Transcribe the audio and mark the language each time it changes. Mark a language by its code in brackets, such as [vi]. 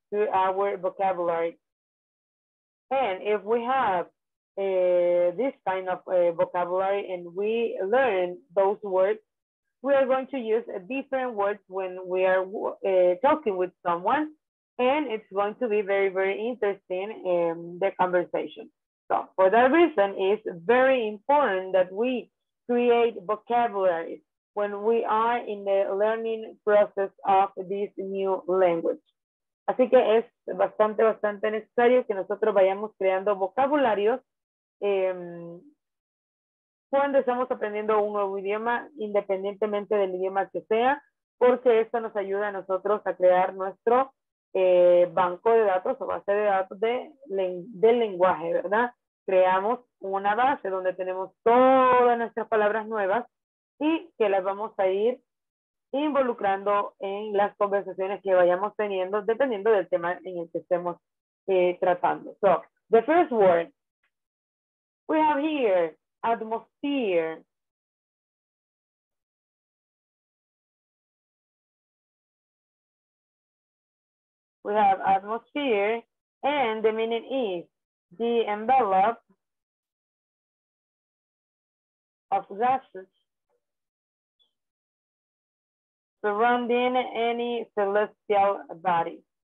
[en] to our vocabulary. And if we have this kind of vocabulary and we learn those words, we are going to use different words when we are talking with someone, and it's going to be very, very interesting in the conversation. So for that reason, it's very important that we create vocabulary when we are in the learning process of this new language. [es] Así que es bastante, bastante necesario que nosotros vayamos creando vocabularios cuando estamos aprendiendo un nuevo idioma, independientemente del idioma que sea, porque esto nos ayuda a nosotros a crear nuestro banco de datos o base de datos del lenguaje, ¿verdad? Creamos una base donde tenemos todas nuestras palabras nuevas y que las vamos a ir involucrando en las conversaciones que vayamos teniendo dependiendo del tema en el que estemos tratando. [en] So, the first word we have here, atmosphere. We have atmosphere, and the meaning is the envelope of gases surrounding any celestial body.